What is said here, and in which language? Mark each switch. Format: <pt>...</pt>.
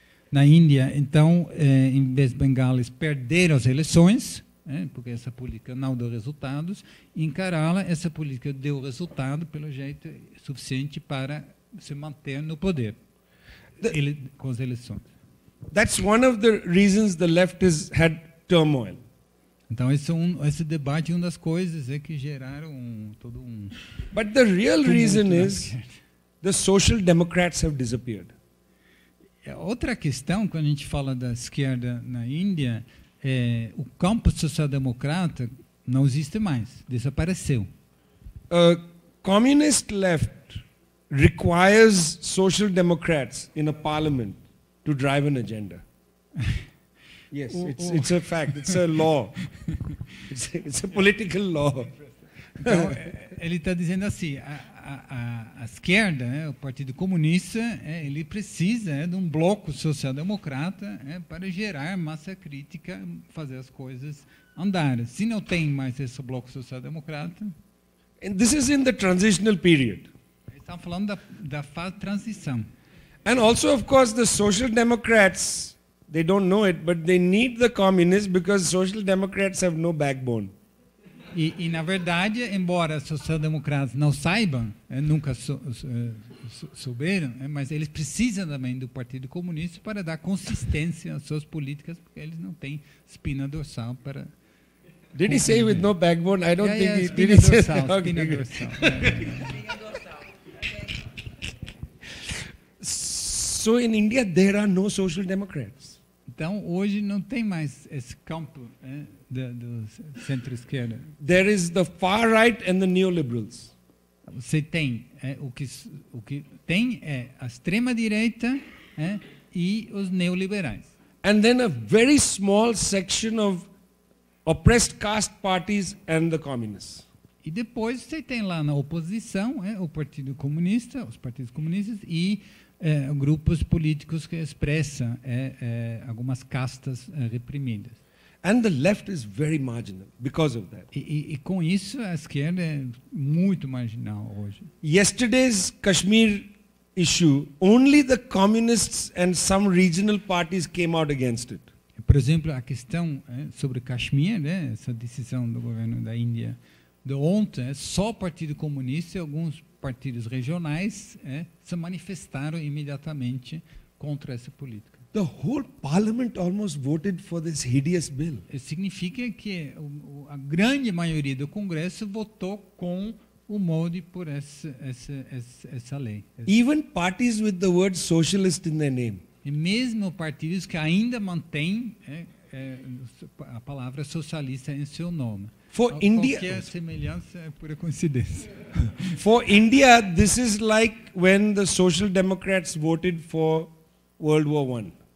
<pt>Na Índia, então, em vez de bengalis perderam as eleições, porque essa política não deu resultados, em Kerala, essa política deu resultado, pelo jeito, suficiente para se manter no poder com as eleições.</pt> <en>That's one of the reasons the left has had turmoil.</en> <pt>Então, esse debate é uma das coisas que geraram todo um...</pt> <en>But the real reason is the social democrats have disappeared.</en> <pt>Outra questão, quando a gente fala da esquerda na Índia, é o campo social-democrata não existe mais, desapareceu.</pt> <en>Communist left requires social democrats in a parliament to drive an agenda. Yes, it's a fact, it's a law. It's a political law.</en> <pt>Então, ele está dizendo assim... A esquerda, o Partido Comunista, ele precisa de um bloco social-democrata para gerar massa crítica, fazer as coisas andar. Se não tem mais esse bloco social-democrata...</pt> <en>And this is in the transitional period.</en> <pt>Estão falando da fase de transição.</pt> <en>And also, of course, the social democrats, they don't know it, but they need the communists because social democrats have no backbone.</en> <pt>E, na verdade, embora os social-democratas não saibam, nunca souberam, mas eles precisam também do Partido Comunista para dar consistência às suas políticas, porque eles não têm espina dorsal para...</pt> <en>Did he say with no backbone? I don't think he...</en> <pt>Espina dorsal, espina dorsal. Espina dorsal.</pt> <en>So, in India, there are no social-democrats.</en> <pt>Então, hoje não tem mais esse campo do centro-esquerda.</pt> <en>There is the far right and the neoliberals.</en> <pt>Você tem o que tem é a extrema-direita e os neoliberais.</pt> <en>And then a very small section of oppressed caste parties and the communists.</en> <pt>E depois você tem lá na oposição, o Partido Comunista, os partidos comunistas, e grupos políticos que expressam algumas castas reprimidas.</pt> <en>And the left is very marginal because of that.</en> <pt>E com isso a esquerda é muito marginal hoje.</pt> <en>Yesterday's Kashmir issue, only the communists and some regional parties came out against it.</en> <pt>Por exemplo, a questão sobre Kashmir, essa decisão do governo da Índia de ontem, só o Partido Comunista e alguns partidos regionais se manifestaram imediatamente contra essa política.</pt> <en>The whole parliament almost voted for this hideous bill.</en> <pt>Isso significa que a grande maioria do Congresso votou com o Modi por essa lei.</pt> <en>Even parties with the word socialist in their name.</en> <pt>E mesmo partidos que ainda mantêm a palavra socialista em seu nome.</pt> <en>For India,</en> <pt>semelhança é pura coincidência.</pt> <en>For India, this is like when the Social Democrats voted for World War I.</en>